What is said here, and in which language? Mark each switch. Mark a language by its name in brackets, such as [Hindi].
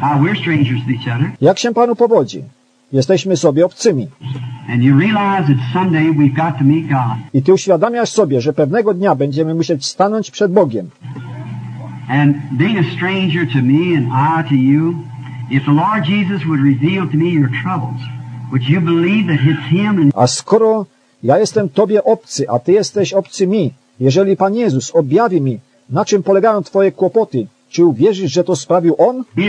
[English] We're strangers to each other. [Polish] Jak się panu powodzi? Jesteśmy sobie obcymi. [English] And you realize that someday we've got to meet God. [Polish] I ty uświadamiasz sobie, że pewnego dnia będziemy musieć stanąć przed Bogiem. [English] And being a stranger to me and I to you, if the Lord Jesus would reveal to me your troubles, would you believe that it's him? [Polish] A skoro ja jestem tobie obcy, a ty jesteś obcy mi, jeżeli Pan Jezus objawi mi, na czym polegają twoje kłopoty, czy uwierzysz, że to sprawił On?